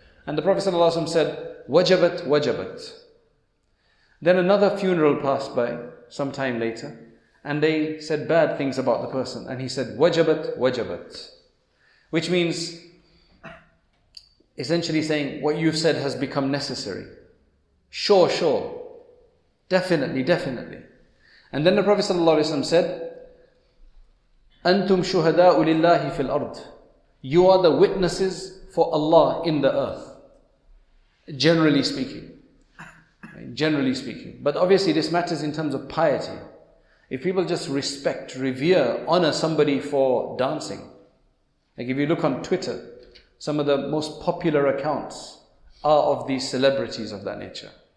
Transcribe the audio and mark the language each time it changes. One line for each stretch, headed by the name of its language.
English: And the Prophet ﷺ said, wajabat, wajabat. Then another funeral passed by, some time later, and they said bad things about the person. And he said, wajabat, wajabat. Which means, essentially saying, what you've said has become necessary. Sure, sure. Definitely, definitely. And then the Prophet ﷺ said,
Arabic: أَنْتُمْ شُهَدَاءُ لِلَّهِ فِي الْأَرْضِ.
English: You are the witnesses for Allah in the earth. Generally speaking. Generally speaking. But obviously this matters in terms of piety. If people just respect, revere, honor somebody for dancing. Like if you look on Twitter, some of the most popular accounts are of these celebrities of that nature.